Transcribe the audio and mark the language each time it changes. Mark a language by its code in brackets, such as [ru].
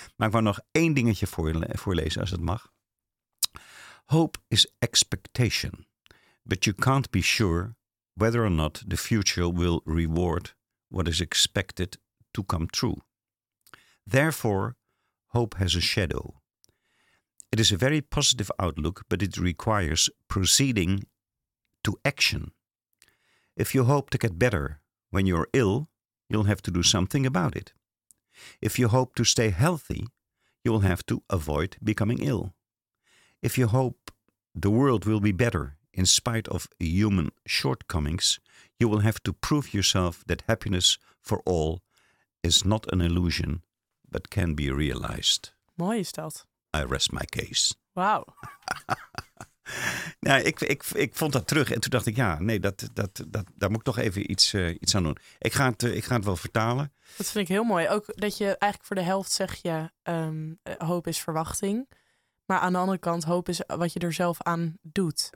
[nl] Maar ik wou nog één dingetje voorlezen, als het mag. [en] Hope is expectation. But you can't be sure whether or not the future will reward what is expected to come true. Therefore, hope has a shadow. It is a very positive outlook, but it requires proceeding to action. If you hope to get better when you're ill, you'll have to do something about it. If you hope to stay healthy, you'll have to avoid becoming ill. If you hope the world will be better in spite of human shortcomings, you will have to prove yourself that happiness for all is not an illusion, but can be realized. [nl] Mooi is dat. [en] I rest my case. [nl] Wauw. Nou, ik vond dat terug en toen dacht ik, ja, nee, dat daar moet ik toch even iets aan doen. Ik ga het wel vertalen. Dat vind ik heel mooi. Ook dat je eigenlijk voor de helft zeg je, hoop is verwachting. Maar aan de andere kant, hoop is wat je er zelf aan doet.